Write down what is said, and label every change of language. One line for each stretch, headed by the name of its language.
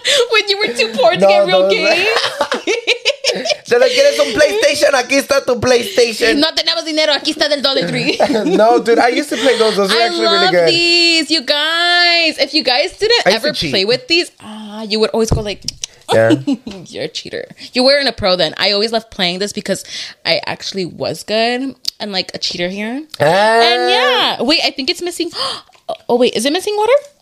English: When you were too poor to get real games.
Spanish: Se le quieres un PlayStation, aquí está tu PlayStation. No tenemos dinero, aquí está del Dollar Tree.
English: No, dude, I used to play those. Those are actually really good. I love these, you guys. If you guys didn't ever play with these, you would always go like, yeah. You're a cheater. You weren't a pro then. I always loved playing this because I actually was good and like a cheater here. And yeah, wait, I think it's missing. Oh, wait, is it missing water?